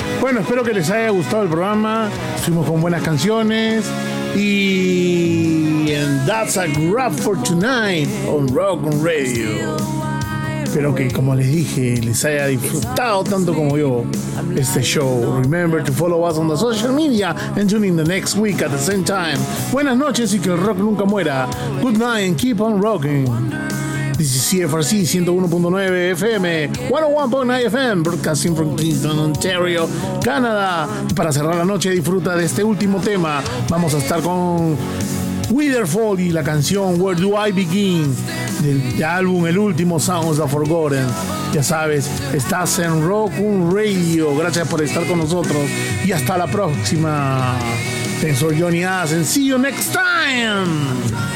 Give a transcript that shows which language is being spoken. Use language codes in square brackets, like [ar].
[es] Bueno, espero que les haya gustado el programa. Estuvimos con buenas canciones. [en] Y and that's a wrap for tonight on Rock Radio. [es] Espero que, como les dije, les haya disfrutado tanto como yo este show. [en] Remember to follow us on the social media and tune in the next week at the same time. [es] Buenas noches y que el rock nunca muera. [en] Good night and keep on rocking. This is CFRC 101.9 FM, 101.9 FM, broadcasting from Kingston, Ontario, Canadá. [es] Para cerrar la noche, disfruta de este último tema. Vamos a estar con Witherfall y la canción Where Do I Begin? Del álbum El Último, Sounds of Forgotten. Ya sabes, estás en Rock Un Radio. Gracias por estar con nosotros y hasta la próxima. Soy [en] Johnny Ass and see you next time.